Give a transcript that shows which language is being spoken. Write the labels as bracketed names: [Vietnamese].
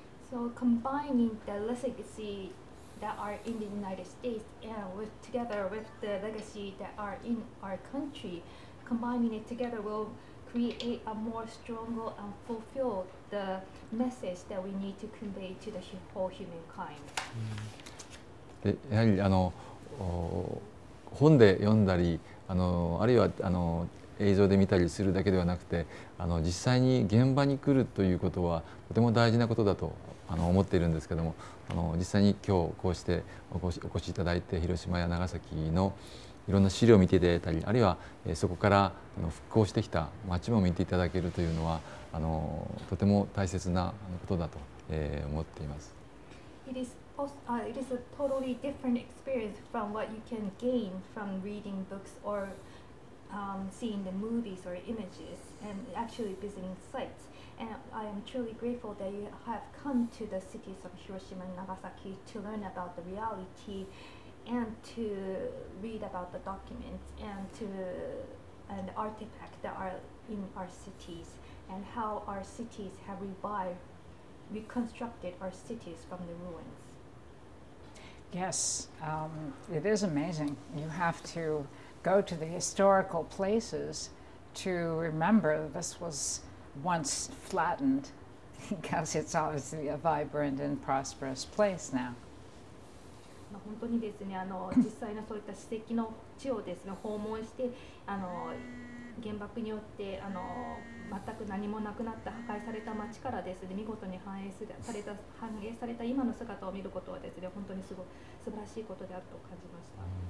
[English] So combining the legacy that are in the United States and with together with the legacy that are in our country, combining it together will create a more stronger and fulfilled the message that we need to convey to the whole humankind. [Japanese] で、やはり本で読んだり、あるいは映像で見たりするだけではなくて、実際に現場に来るということはとても大事なことだと思っているんですけども、実際に今日こうしてお越しいただいて、広島や長崎のいろんな資料を見ていただいたり、あるいはそこから復興してきた町も見ていただけるというのはとても大切なことだと思っています。 [English] It is a totally different experience from what you can gain from reading books or seeing the movies or images and actually visiting sites. And I am truly grateful that you have come to the cities of Hiroshima and Nagasaki to learn about the reality and to read about the documents and artifacts that are in our cities and how our cities have reconstructed our cities from the ruins. Yes, it is amazing. You have to go to the historical places to remember this was once flattened because it's obviously a vibrant and prosperous place now. [Japanese] 本当にですね、実際のそういった史跡の地をですね、訪問して、原爆によって全く何もなくなった破壊された町からですね、見事に反映された今の姿を見ることはですね、本当にすごい素晴らしいことであると感じました。